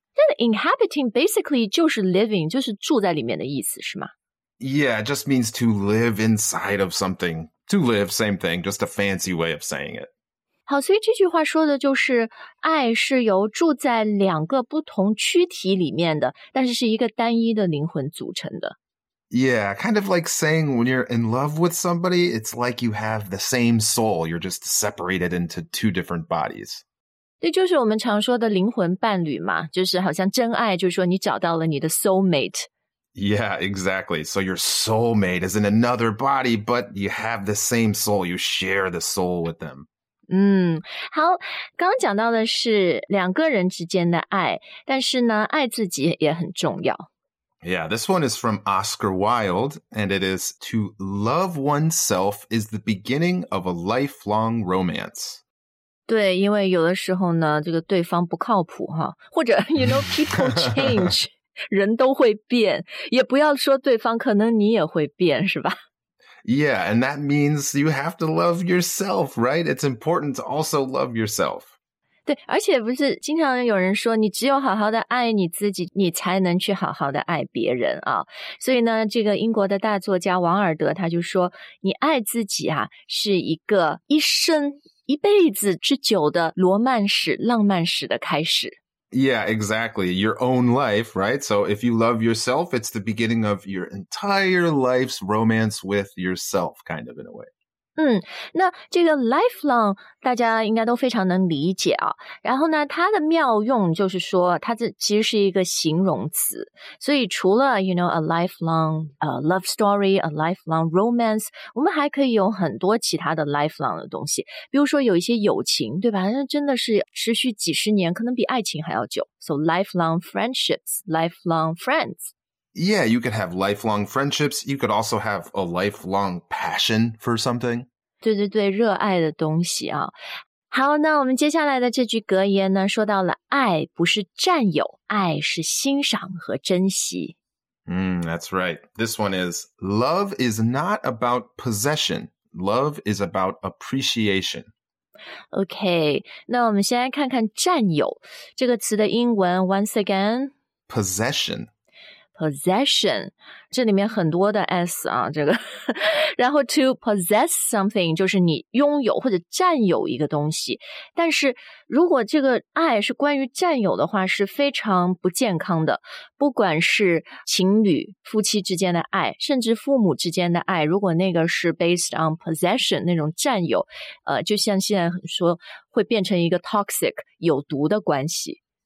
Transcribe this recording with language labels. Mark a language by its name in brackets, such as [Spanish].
[Chinese] 那 inhabiting basically 就是 living, 就是住在里面的意思是吗 [English] Yeah, it just means to live inside of something. To live, same thing, just a fancy way of saying it. [Chinese] 好，所以这句话说的就是爱是由住在两个不同躯体里面的，但是是一个单一的灵魂组成的。 [English] Yeah, kind of like saying when you're in love with somebody, it's like you have the same soul, you're just separated into two different bodies. [Chinese] 对，就是我们常说的灵魂伴侣嘛，就是好像真爱，就是说你找到了你的 soulmate。 [English] Yeah, exactly. So your soulmate is in another body, but you have the same soul, you share the soul with them. [Chinese] 好刚刚讲到的是两个人之间的爱但是呢爱自己也很重要。 [English] Yeah, this one is from Oscar Wilde, and it is, to love oneself is the beginning of a lifelong romance. [Chinese] 对因为有的时候呢这个对方不靠谱哈或者 [English] you know, people change, [Chinese] 人都会变也不要说对方可能你也会变是吧 [English] Yeah, and that means you have to love yourself, right? It's important to also love yourself. [Chinese] 对，而且不是经常有人说，你只有好好的爱你自己，你才能去好好的爱别人啊。所以呢，这个英国的大作家王尔德他就说，你爱自己啊，是一个一生一辈子之久的罗曼史、浪漫史的开始。 [English] Yeah, exactly. Your own life, right? So if you love yourself, it's the beginning of your entire life's romance with yourself, kind of in a way. [Chinese] 那这个 lifelong, 大家应该都非常能理解啊。然后呢它的妙用就是说它这其实是一个形容词。所以除了 [English] you know, a lifelong, love story, a lifelong romance, [Chinese] 我们还可以有很多其他的 lifelong 的东西。比如说有一些友情对吧那真的是持续几十年可能比爱情还要久。 [English] So lifelong friendships, lifelong friends. Yeah, you could have lifelong friendships. You could also have a lifelong passion for something. [Chinese] 对对对，热爱的东西啊。好，那我们接下来的这句格言呢，说到了爱不是占有，爱是欣赏和珍惜。 [English] That's right. This one is, love is not about possession. Love is about appreciation. [Chinese] Okay, 那我们先来看看占有这个词的英文 [English] once again. Possession. [Chinese] Possession, 这里面很多的 S 啊，这个，然后 [English] to possess something [Chinese] 就是你拥有或者占有一个东西，但是如果这个爱是关于占有的话，是非常不健康的，不管是情侣、夫妻之间的爱，甚至父母之间的爱，如果那个是 [English] based on possession [Chinese] 那种占有，就像现在说，会变成一个 toxic 有毒的关系。